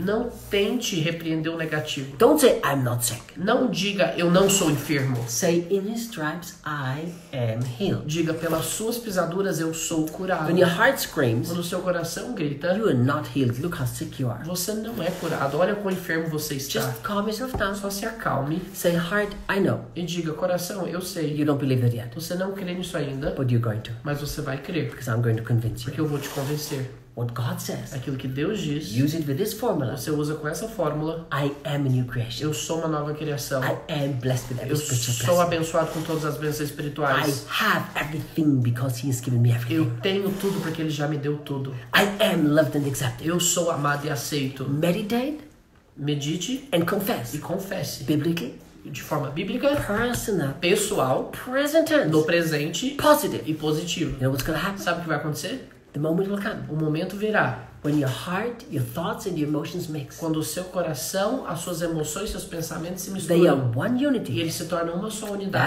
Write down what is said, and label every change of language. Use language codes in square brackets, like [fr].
[pt] Não tente repreender o negativo. [en] Don't say I'm not sick. [pt] Não diga eu não sou enfermo. [en] Say in his stripes I am healed. [pt] Diga pelas suas pisaduras eu sou curado. [en] When your heart screams, [pt] quando o seu coração grita, [en] you are not healed. Look how sick you are. [pt] Você não é curado. Olha quão enfermo você está. [en] Just calm yourself down. [pt] Só se acalme. [en] Say heart, I know. [pt] E diga coração, eu sei. [en] You don't believe it yet. [pt] Você não crê nisso ainda. [en] But you're going to. [pt] Mas você vai crer. [en] Because I'm going to convince you. [pt] Porque eu vou te convencer. [en] What God says. [pt] Aquilo que Deus diz. [en] Use it with this formula. [pt] Você usa com essa fórmula. [en] I am a new creation. [pt] Eu sou uma nova criação. [en] I am blessed with every spiritual blessing. [pt] Eu sou abençoado com todas as bênçãos espirituais. [en] I have everything because He has given me everything. [pt] Eu tenho tudo porque Ele já me deu tudo. [en] I am loved and accepted. [pt] Eu sou amado e aceito. [en] Meditate. [pt] Medite. [en] And confess. [pt] E confesse. [en] Biblically. [pt] De forma bíblica. [en] Personal. [pt] Pessoal. [en] Present tense. [pt] No presente. [en] Positive. [pt] E positivo. [en] You know what's gonna happen? [pt] Sabe o que vai acontecer? [en] The moment will come. [pt] O momento virá. [en] When your heart, your thoughts and your emotions mix. [pt] Quando o seu coração, as suas emoções, seus pensamentos se misturam. [en] They are one unity. [pt] E eles se tornam uma só unidade.